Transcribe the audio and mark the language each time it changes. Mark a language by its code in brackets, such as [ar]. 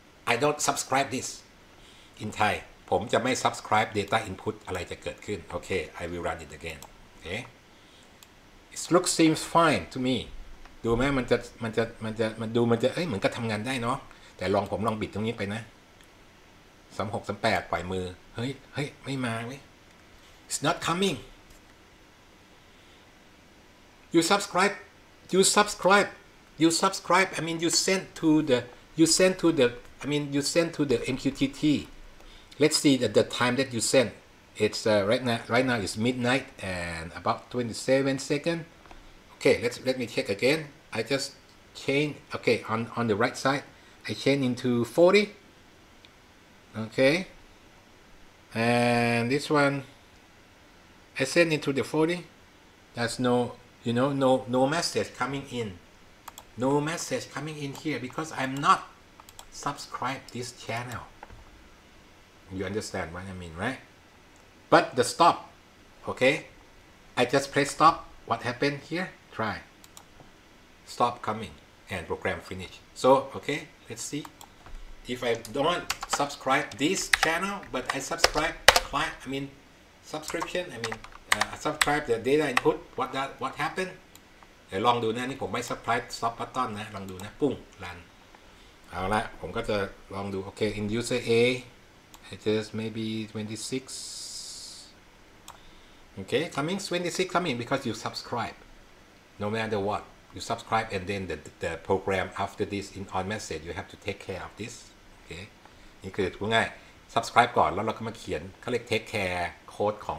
[en] I don't subscribe this in Thai [th] ผมจะไม่ subscribe data input อะไรจะเกิดขึ้น [en] okay I will run it again okay it looks seems fine to me [th] ดูไหมมันดูมันจะเอ้ยเหมือนกับทำงานได้เนาะแต่ลองผมลองบิดตรงนี้ไปนะ36 38ปล่อยมือเฮ้ยไม่มาเว้ย [en] It's not coming You subscribe I mean you send to the You send to the, I mean, you send to the MQTT. Let's see the time that you send. It's right now it's midnight and about 27 seconds. Okay, let me check again. I just change, okay, on the right side, I change into 40. Okay. And this one, I send into the 40. That's no message coming in. No message coming in here because I'm not subscribe this channel. You understand what I mean, right? But the stop, okay? I just press stop. What happened here? Try. Stop coming and program finish. So, okay, let's see. If I don't subscribe this channel, but I subscribe client, I mean, subscription, I mean, I subscribe the data input, what happened? [th] ลองดูนะนี่ผมไม่สปรายต์ stop button นะลองดูนะปุ้งลันเอาละผมก็จะลองดู [en] okay in user A it is maybe 26 okay coming 26 coming because you subscribe no matter what you subscribe and then the program after this in on message you have to take care of this okay [th] นี่คือง่าย subscribe ก่อนแล้วเราก็มาเขียนเขาเรียก [en] take care code